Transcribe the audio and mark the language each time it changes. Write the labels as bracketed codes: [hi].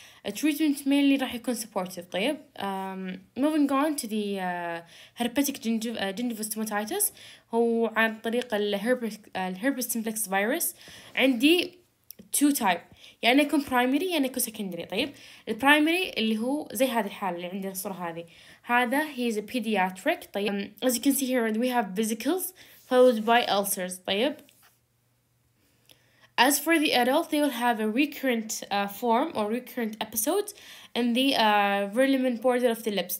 [en] A treatment mainly [ar] راح يكون [en] supportive. طيب moving on to the herpetic gingival stomatitis, [ar] هو عن طريق [en] الherpes simplex virus. [ar] عندي two type, يعني يكون primary يعني يكون secondary. طيب primary اللي هو زي هذه الحالة اللي عندي الصورة هذه, هذا [en] he is a pediatric. طيب as you can see here we have vesicles followed by ulcers. طيب as for the adult, they will have a recurrent form or recurrent episode in the verlumen border of the lips.